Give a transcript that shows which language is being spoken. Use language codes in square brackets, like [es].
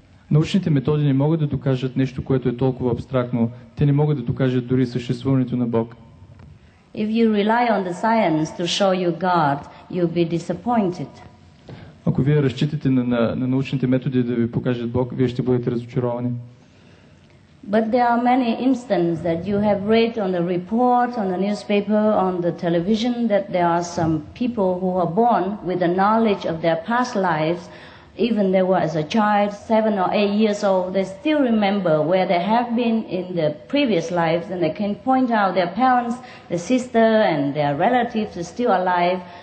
[bg] Научните методи не могат да докажат нещо, което е толкова абстрактно. Те не могат да докажат дори съществуването на Бог. [en] If you rely on the science to show you God, you'll be disappointed. [bg] Ако вие разчитате на научните методи да ви покажат Бог, вие ще бъдете разочаровани. [en] But there are many instances that you have read on the report, on the newspaper, on the television, that there are some people who are born with the knowledge of their past lives. Even they were as a child, 7 or 8 years old, they still remember where they have been in their previous lives, and they can point out their parents, their sister, and their relatives are still alive.